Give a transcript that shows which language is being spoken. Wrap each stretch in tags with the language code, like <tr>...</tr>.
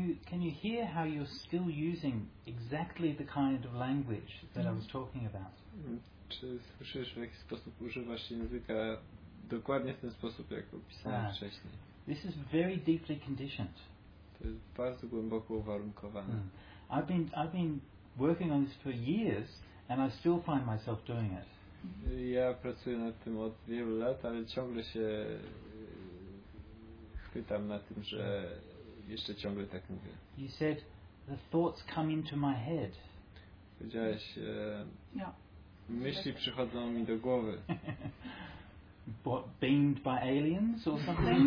<en>Can you hear how you're still using exactly the kind of language that I was talking about?</en> <pl>Czy słyszysz, w jaki sposób używasz języka dokładnie w ten sposób, jak opisałem wcześniej?</pl> <en>This is very deeply conditioned.</en> <pl>To jest bardzo głęboko uwarunkowane. Mm.</pl> <en>I've been working on this for years and I still find myself doing it.</en> <pl>Ja pracuję nad tym od wielu lat, ale ciągle się chwytam na tym, że jeszcze ciągle tak mówię.</pl> <en>You said the thoughts come into my head.</en> <pl>Powiedziałeś, myśli przychodzą mi do głowy.</pl> <en>What, beamed by aliens or something?</en>